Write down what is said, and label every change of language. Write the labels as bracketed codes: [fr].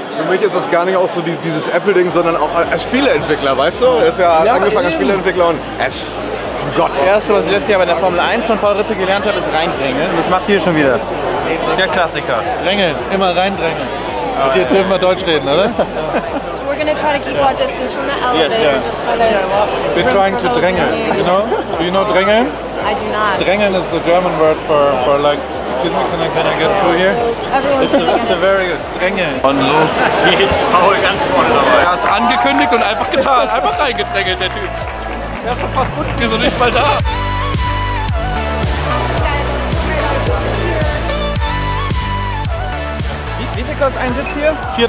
[de] Für mich ist das gar nicht auch so dieses Apple-Ding, sondern auch als Spieleentwickler, weißt du? Er ist ja angefangen als Spieleentwickler und es ist ein Gott. Das Erste, was ich letztes Jahr bei der Formel 1 von Paul Rippe gelernt habe, ist reindrängen. Und das macht ihr schon wieder. Der Klassiker. Drängeln, immer reindrängeln. Mit dir dürfen wir Deutsch reden, oder? [en] So we're gonna try to keep our distance from the elevator. Yes, yeah. We're trying to drängeln, you know? Do you know drängeln? I do not. Drängeln is the German word for like, excuse me, can I get through here? It's a very good. Drängeln. [de] Und los geht's. Paul ganz vorne dabei. Er hat's angekündigt und einfach getan. Einfach reingedrängelt, der Typ. Der ist schon fast unten. Wieso nicht mal da? Wie viel kostet ein Sitz hier?